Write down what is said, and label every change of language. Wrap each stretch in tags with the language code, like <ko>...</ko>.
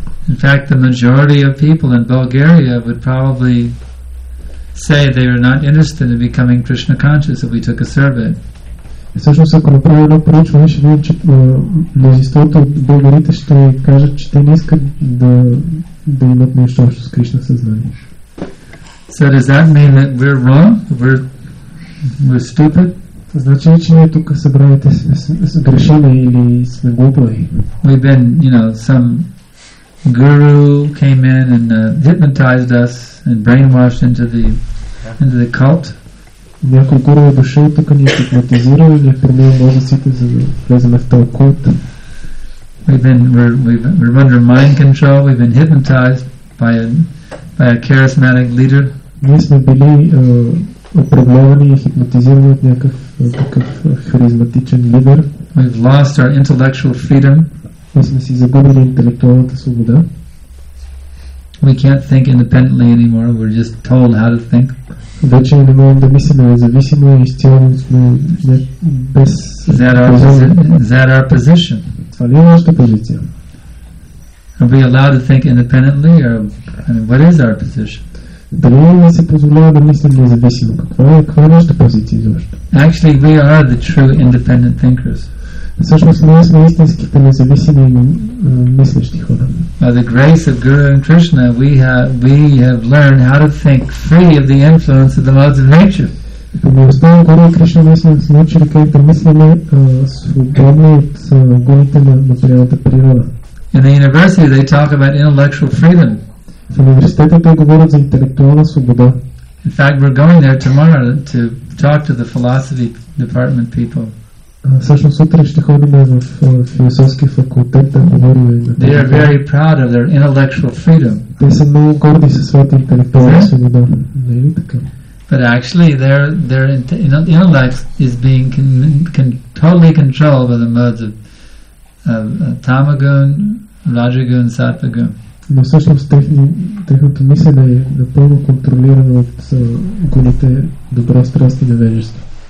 <en>In fact, the majority of people in Bulgaria would probably say they are not interested in becoming Krishna conscious if we took a survey.</en> <bg>Всъщност, ако направим едно проучване, ще видим, че мнозинството от българите ще кажат, че те не искат да имат нещо общо с Кришна съзнание.</bg> <en>So does that mean that we're wrong? We're stupid.</en> <bg>Значи, че ние тук събраните с грешени или сме глупави.</bg> <en>We've been, you know, some guru came in and hypnotized us and brainwashed into the cult.</en> <bg>Някой гуру е дошъл тук, ни е хипнотизирал и ни е промил мозъците, за да влезем в този култ.</bg> <en>We're under mind control. We've been hypnotized by a charismatic leader.</en> <bg>Ние сме били управлявани и хипнотизирани от някакъв харизматичен лидер.</bg> <en>We've lost our intellectual freedom.</en> <bg>Ние сме си загубили интелектуалната свобода.</bg> <en>We can't think independently anymore. We're just told how to think.</en> <bg>Вече не можем да мислим независимо и изцяло сме без.</bg> <en>Is that our position?</en> <bg>Това ли е нашата позиция?</bg> <en>Are we allowed to think independently, or I mean, what is our position?</en> <bg>Дали ли се позволява да мислим независимо? Каква е нашата позиция изобщо?</bg> <en>Actually, we are the true independent thinkers.</en> <bg>Всъщност ние сме истинските независими мислещи хора.</bg> <en>By the grace of Guru and Krishna, we have learned how to think free of the influence of the laws of nature.</en> <bg>По милостта на Гуру и Кришна, ние сме научили как да мислиме свободно от гоните на материалната природа.</bg> <en>In the university, they talk about intellectual freedom.</en> <bg>В университета те говорят за интелектуална свобода.</bg> <en>In fact, we're going there tomorrow to talk to the philosophy department people.</en> <bg>Всъщност утре ще ходим в философски факултет да говорим.</bg> <en>They are very proud of their intellectual freedom.</en> <bg>Те са много горди със своята интелектуална свобода. Не е ли така?</bg> <en>But actually their intellect is being totally controlled by the modes of tamagun, rajagun, sattvagun.</en> <bg>Но всъщност техното мислене е напълно контролирано от гуните добра страст и невежество.</bg>